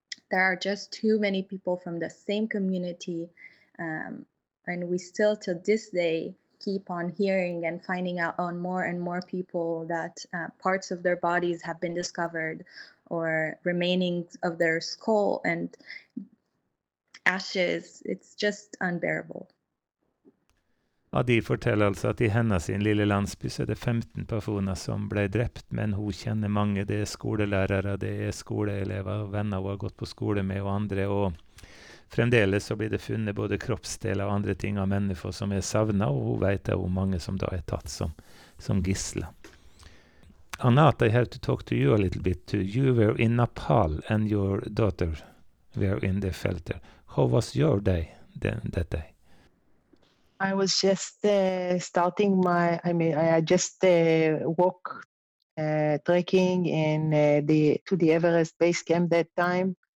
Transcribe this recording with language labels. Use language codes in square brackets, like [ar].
[en] There are just too many people from the same community. And we still, to this day, keep on hearing and finding out on more and more people that parts of their bodies have been discovered, or remainings of their skull and ashes. It's just unbearable. [no] Adi forteller altså at i hennes sin lille landsby så er det 15 personer som ble drept, men hun kjenner mange. Det er skolelærere, det er skoleelever, venner hun har gått på skole med og andre. Og fremdeles så blir det funnet både kroppsdeler og andre ting av mennesker som er savnet, og hun vet det hvor mange som da er tatt som gisler. [en] Anat, I have to talk to you a little bit too. You were in Nepal and your daughter were in the shelter. How was your day that day? I was just starting trekking in to the Everest base camp that time.